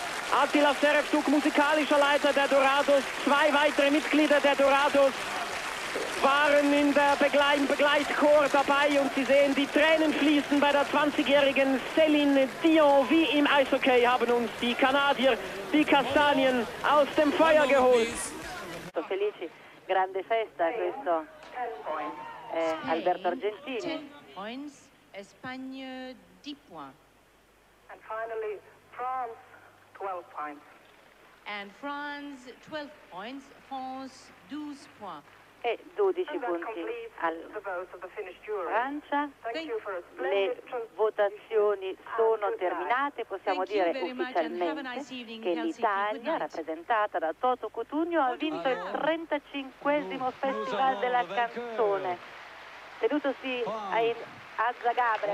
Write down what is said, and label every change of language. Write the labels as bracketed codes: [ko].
[de] Attila Serezuk, musikalischer Leiter der Dorados, zwei weitere Mitglieder der Dorados waren in der Begleitchor dabei und Sie sehen, die Tränen fließen bei der 20-jährigen Céline Dion. Wie im Eishockey haben uns die Kanadier die Kastanien aus dem Feuer geholt. [it] Felici, grande festa questo. Alberto Argentini. [fr] 10 points, Espagne 10 points. [en] And finally, France 12 points. And France 12 points, France 12 points. [it] E 12 punti al Francia. Le votazioni sono terminate, possiamo dire ufficialmente che l'Italia, rappresentata da Toto Cutugno, ha vinto il 35esimo Festival della Canzone, tenutosi a Zagabria.